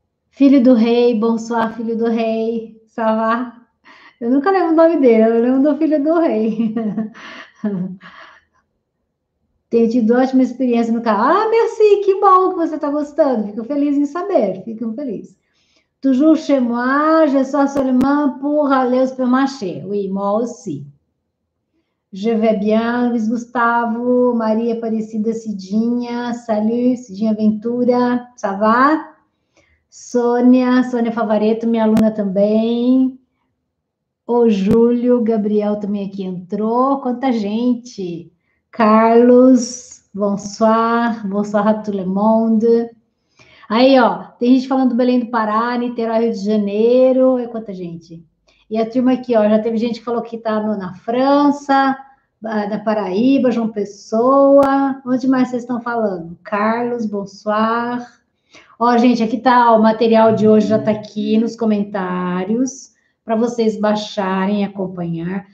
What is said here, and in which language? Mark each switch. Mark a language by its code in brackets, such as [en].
[pt] Filho do rei, bonsoir, filho do rei. Ça va? Eu nunca lembro o nome dele, eu lembro do filho do rei. Tenho tido ótima experiência no canal. Ah, merci, que bom que você está gostando. Fico feliz em saber, fico feliz. [fr] Toujours chez moi, je suis seulement pour aller au supermarché. Oui, moi aussi. Je vais bien, Luiz Gustavo, Maria Aparecida Cidinha, salut, Cidinha Ventura, ça va? [pt] Sônia, Sônia Favareto, minha aluna também. O Júlio, Gabriel também aqui entrou, quanta gente. [fr] Carlos, bonsoir, bonsoir a tout le monde. [pt] Aí, ó, tem gente falando do Belém do Pará, Niterói, Rio de Janeiro, e quanta gente. E a turma aqui, ó, já teve gente que falou que tá no, na França, da Paraíba, João Pessoa. Onde mais vocês estão falando? Carlos, bonsoir. Ó, gente, aqui tá o material de hoje, já tá aqui nos comentários, para vocês baixarem e acompanhar.